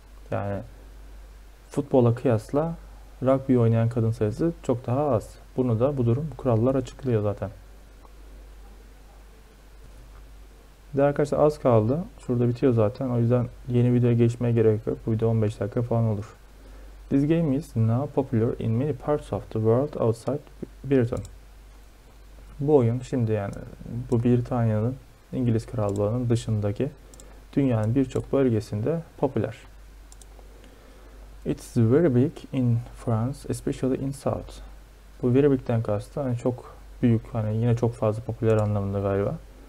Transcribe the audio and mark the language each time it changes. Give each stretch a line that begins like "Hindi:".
Turkish: Yani futbola kıyasla rugby oynayan kadın sayısı çok daha az. Bunu da bu durum kurallar açıklıyor zaten. De arkadaşlar az kaldı. Şurada bitiyor zaten. O yüzden yeni videoya geçmeye gerek yok. Bu video 15 dakika falan olur.
English: This game is now popular in many parts of the world outside Britain.
Turkish: Bu oyun şimdi yani bu Britanya'nın İngiliz Krallığı'nın dışındaki dünyanın birçok bölgesinde popüler.
English: It's very big in France, especially in South.
Turkish: Bu very big'den kastı hani çok büyük hani yine çok fazla popüler anlamında galiba.